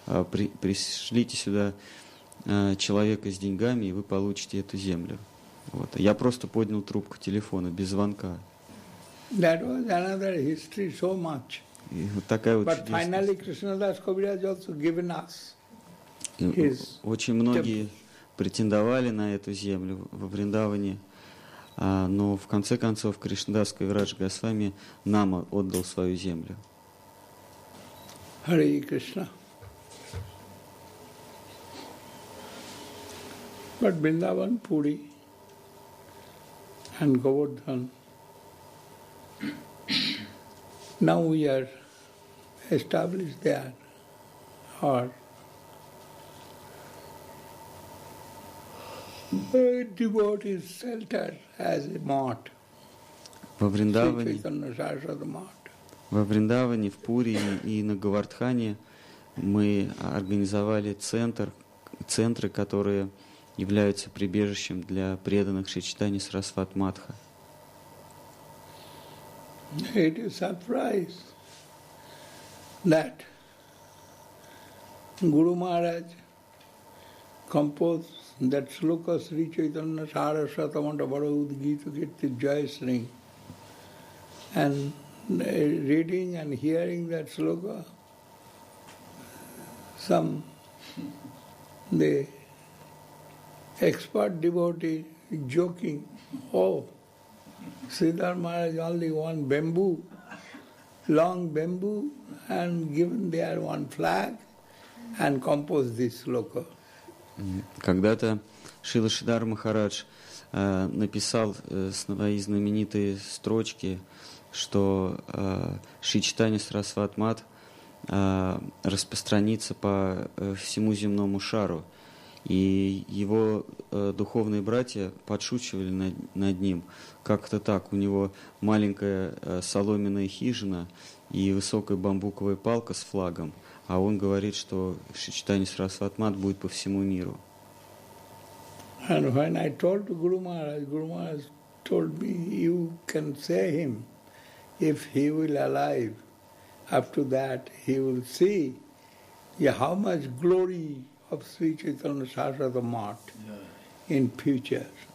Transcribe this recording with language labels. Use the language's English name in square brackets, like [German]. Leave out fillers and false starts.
[Russian] Пришлите сюда человека с деньгами, и вы получите эту землю». Вот. Я просто поднял трубку телефона без звонка. [English] That was another history so much. But finally, Krishnadas Kaviraj also given us his. [Russian] Очень многие претендовали на эту землю во Вриндаване, но в конце концов Кришнадас Кавирадж Госвами нам отдал свою землю. [English] Hare Krishna. But Vrindavan Puri and Govardhan, now we are established there, or a devotee's shelter as a mart. [Russian] Во Вриндаване, в Пури и на Говардхане мы организовали центры, которые являются прибежищем для преданных Шри Чайтаньи Сарасвати Матха. [English] It is a surprise that Guru Maharaj composed that sloka Sri Chaitanya Sarasvati Matha Bhara Udgita Kirti Jayasring. And reading and hearing that sloka, the expert devotee joking, oh, Sridhar Maharaj only one bamboo, long bamboo, and given there one flag, and composed this sloka. [Russian] Когда-то Шрила Шридхар Махарадж написал свои знаменитые строчки, что Шри Чайтанья Сарасвати Матха распространится по всему земному шару. И его духовные братья подшучивали над ним. Как-то так, у него маленькая соломенная хижина и высокая бамбуковая палка с флагом, а он говорит, что Шри Чайтанья Сарасвати Матха будет по всему миру. [English] And when I told Guru Maharaj, Guru Maharaj told me, you can say him. If he will alive, after that he will see how much glory of Sri Chaitanya Sarasvati Matha in future.